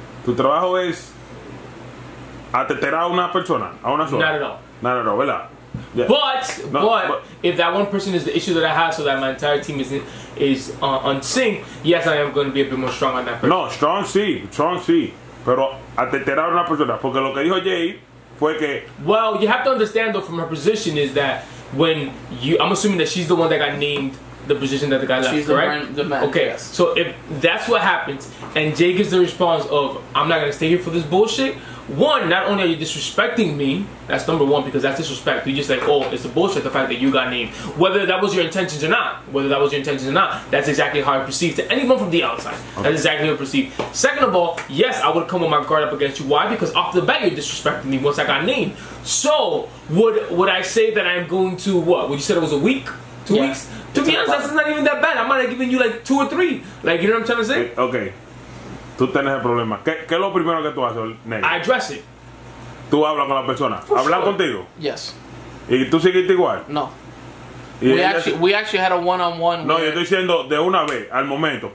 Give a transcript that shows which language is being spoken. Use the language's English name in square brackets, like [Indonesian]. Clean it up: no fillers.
[Spanish] Tu trabajo es atender a una persona, a una sola. [English] Not at all, [Spanish] ¿verdad? [English] Yeah. But if that one person is the issue that I have, so that my entire team is on sync, yes, I am going to be a bit more strong on that person. [Spanish] No, strong sí. Pero atender a una persona, porque lo que dijo Jay fue que... [English] Well, you have to understand, though, from her position is that when you... I'm assuming that she's the one that got named the position that the guy she's left, correct? She's the man, okay, yes. So if that's what happens, and Jay gives the response of, I'm not going to stay here for this bullshit, one, not only are you disrespecting me, that's number one, because that's disrespect. You're just like, oh, it's a bullshit, the fact that you got named. Whether that was your intentions or not, that's exactly how I perceive to anyone from the outside. Okay. That's exactly how I perceive. Second of all, yes, I would come with my guard up against you. Why? Because off the bat, you're disrespecting me once I got named. So, would I say that I'm going to, what? Would you say it was a week? Two weeks? To be honest, that's not even that bad. I might have given you like two or three. Like, you know what I'm trying to say? [Spanish] Okay. Tú tienes el problema. ¿Qué es lo primero que tú haces, Negro? [English] I address it. [Spanish] Tú hablas con la persona. ¿Hablas contigo? [English] Yes. [Spanish] ¿Y tú seguiste igual? [English] No. We actually had a one-on-one. [Spanish] No, yo estoy diciendo de una vez, al momento.